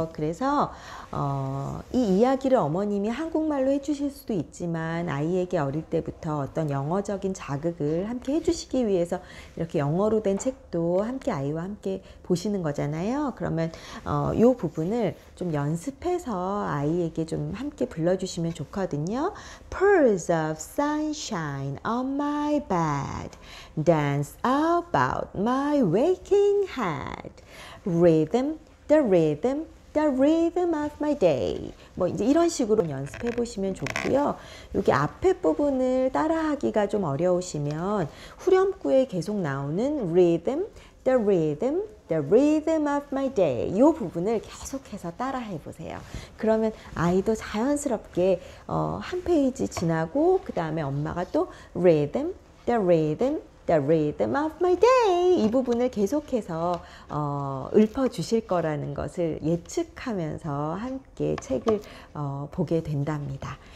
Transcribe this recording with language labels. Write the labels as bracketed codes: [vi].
[ko] 그래서 이 이야기를 어머님이 한국말로 해주실 수도 있지만 아이에게 어릴 때부터 어떤 영어적인 자극을 함께 해주시기 위해서 이렇게 영어로 된 책도 함께 아이와 함께 보시는 거잖아요. 그러면 이 부분을 좀 연습해서 아이에게 좀 함께 불러주시면 좋거든요. [en] Pearls of sunshine on my bed, dance about my waking head, rhythm, the rhythm of my day. [ko] 뭐 이제 이런 식으로 연습해 보시면 좋고요. 여기 앞에 부분을 따라하기가 좀 어려우시면 후렴구에 계속 나오는 [en] rhythm, the rhythm, the rhythm of my day [ko] 이 부분을 계속해서 따라 해보세요. 그러면 아이도 자연스럽게 한 페이지 지나고 그 다음에 엄마가 또 [en] rhythm, the rhythm, the rhythm of my day [ko] 이 부분을 계속해서 읊어주실 거라는 것을 예측하면서 함께 책을 보게 된답니다.